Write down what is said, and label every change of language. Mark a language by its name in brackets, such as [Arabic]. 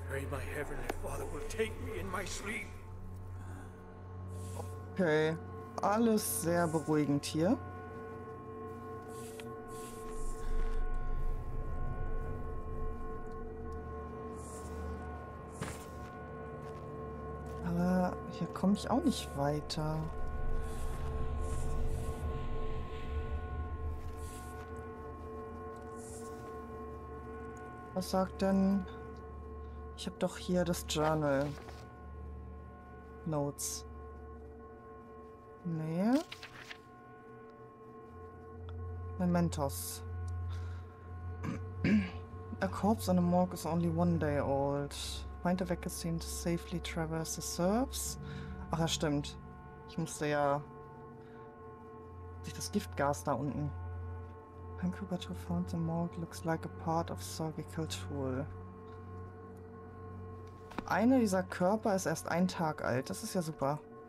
[English] My heavenly father will take me in my sleep. [German] Okay, alles sehr beruhigend hier. Aber hier komme ich auch nicht weiter. Was sagt denn? Ich habe doch hier das Journal. [English] Notes. Nee. Mementos. A corpse on a morgue is only one day old. Find a vaccine to safely traverse the serfs. [German] Ach ja, stimmt. Ich musste ja durch das Giftgas da unten. [English] Incubator found the morgue looks like a part of surgical tool. [German] Einer dieser Körper ist erst ein Tag alt. Das ist ja super.